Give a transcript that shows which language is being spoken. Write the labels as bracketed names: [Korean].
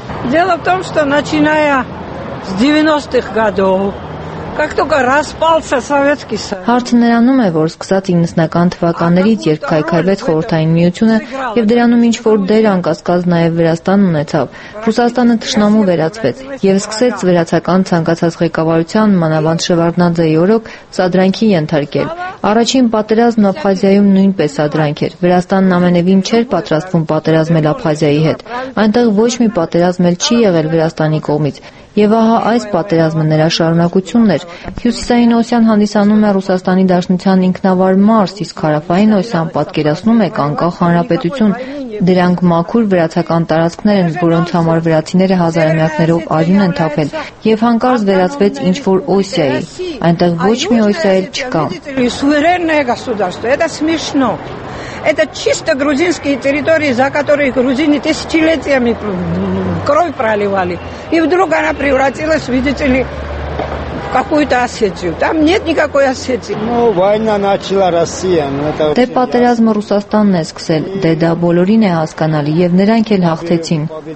[Russian] Дело в том, что начиная с 90-х годов Как только распался Советский Союз. [Armenian] Հարցը նրանում է, որ սկսած 90-ական թվականներից, երբ քայքայվեց խորհրդային միությունը, եւ դրանում ինչ որ դեր անկասկած նաեւ Վրաստան ունեցավ, Ռուսաստանը թշնամու վերածվեց եւ սկսեց վերացական ցանկացած ղեկավարության մանավանդ Շևարդնաձեի օրոք սադրանքի ենթարկել։ Առաջին պատերազմն Աբխազիայում նույնպես սադրանք էր։ Վրաստանն ամենևին չէր պատրաստվում պատերազմել Աբխազիայի հետ։ Այնտեղ ոչ մի պատերազմ չի եղել Վրաստանի կողմից։ Եվ ահա այս պատերազմը նրա շարունակությունն էր։ Հյուսիսային Օսյան հանդիսանում է Ռուսաստանի Դաշնության ինքնավար մարս, իսկ Հարավային Օսյան պատկերացնում է Կանկախ Հանրապետություն։ Դրանք մաքուր վրացական տարածքներ են, որոնց համար վրացիները հազարամյակներով արյուն են թափել, եւ հանկարծ վերածվեց ինչ որ Օսիայի։ Այնտեղ ոչ մի Օսիա էլ չկա։ [Russian] Это чисто грузинские территории, за которые грузины тысячелетиями кровь проливали. И вдруг она превратилась, видите ли, в какую-то Осетию. Там нет никакой Осетии. Ну, война начала Россия. Ну, это [Armenian] Դե պատերազմը Ռուսաստանն է սկսել, դե դա բոլորին է հասկանալի, և նրանք էլ հաղթեցին.